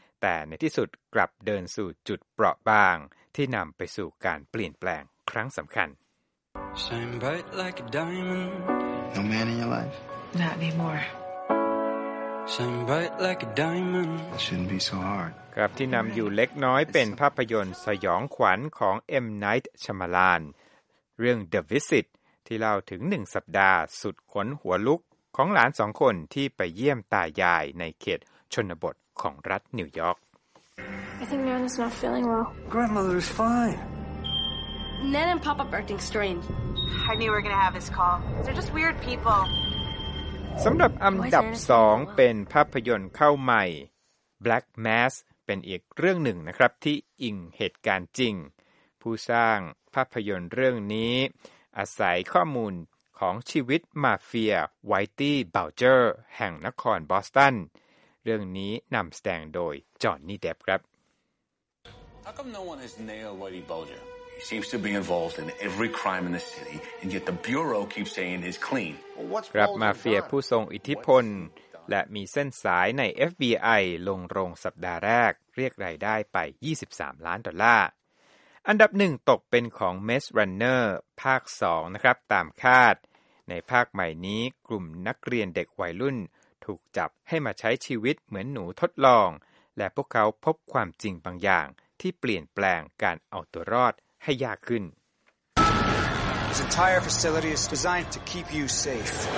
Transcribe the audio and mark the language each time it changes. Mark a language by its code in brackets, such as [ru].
[th] แต่ในที่สุดกลับเดินสู่จุดเปราะบางที่นำไปสู่การเปลี่ยนแปลงครั้งสำคัญ [en] Shine bright like a diamond No man in your life Not anymore Shine bright like a diamond It shouldn't be so hard [th] ครับที่นำอยู่เล็กน้อยเป็นภาพยนตร์สยองขวัญของ M. Night Shyamalan เรื่อง The Visit ที่เล่าถึง1สัปดาห์สุดขนหัวลุกของหลาน2คนที่ไปเยี่ยมตายายในเขตชนบทของรัฐนิวยอร์ก [en] I think Nana's not feeling well. Grandmother is fine. Nana and Papa are acting strange. I knew we were going to have this call. They're just weird people. [th] สำหรับอันดับ2เป็นภาพยนตร์เข้าใหม่ Black Mass เป็นอีกเรื่องหนึ่งนะครับที่อิงเหตุการณ์จริงผู้สร้างภาพยนตร์เรื่องนี้อาศัยข้อมูลของชีวิตมาเฟียไวตี้เบลเจอร์แห่งนครบอสตันเรื่องนี้นำแสดงโดยจอห์นนี่เดปครับ [en] How come no one has nailed Whitey Bulger? He seems to be involved in every crime in the city and yet the bureau keeps saying he's clean. [th] ครับมาเฟียผู้ทรงอิทธิพลและมีเส้นสายใน FBI ลงโรงสัปดาห์แรกเรียกรายได้ไป23ล้านดอลลาร์ อันดับ1ตกเป็นของ Maze Runner ภาค2นะครับตามคาดในภาคใหม่นี้กลุ่มนักเรียนเด็กวัยรุ่นถูกจับให้มาใช้ชีวิตเหมือนหนูทดลองและพวกเขาพบความจริงบางอย่างที่เปลี่ยนแปลงการเอาตัวรอดให้ยากขึ้น [en] This entire facility is designed to keep you safe.